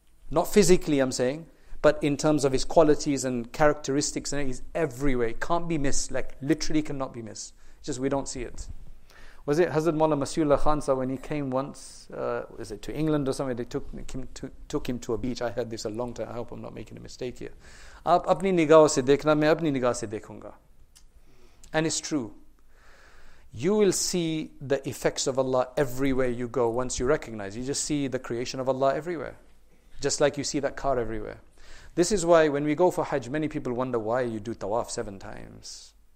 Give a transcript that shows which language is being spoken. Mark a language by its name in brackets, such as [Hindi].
[English] Not physically, I'm saying. But in terms of His qualities and characteristics, and He's everywhere. Can't be missed. Like, literally cannot be missed. Just we don't see it. Was it Hazrat Mawlana Masihullah Khansa when he came once, was it to England or somewhere? They took him to a beach. I heard this a long time. I hope I'm not making a mistake here. [Urdu] آپ اپنی نگاہ سے دیکھنا، میں اپنی نگاہ سے دیکھوں گا. [English] And it's true. You will see the effects of Allah everywhere you go once you recognize. You just see the creation of Allah everywhere. Just like you see that car everywhere. This is why when we go for Hajj, many people wonder why you do tawaf 7 times.